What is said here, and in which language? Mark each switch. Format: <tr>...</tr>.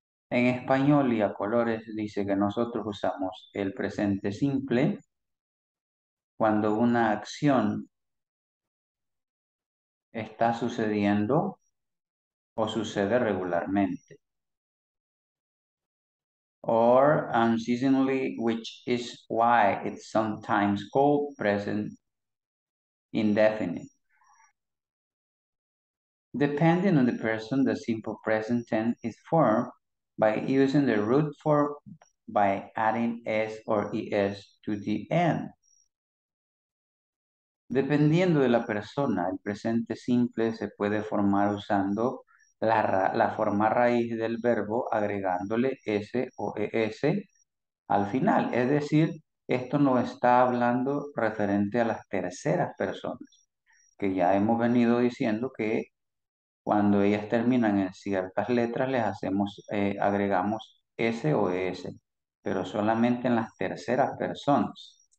<es>En español y a colores dice que nosotros usamos el presente simple cuando una acción está sucediendo o sucede regularmente.</es> <en>Or unceasingly, which is why it's sometimes called present indefinite. Depending on the person, the simple present tense is formed by using the root form by adding s or es to the end.</en> <es>Dependiendo de la persona, el presente simple se puede formar usando la forma raíz del verbo agregándole S o ES al final. Es decir, esto no está hablando referente a las terceras personas, que ya hemos venido diciendo que cuando ellas terminan en ciertas letras, les hacemos, agregamos S o ES, pero solamente en las terceras personas.</es>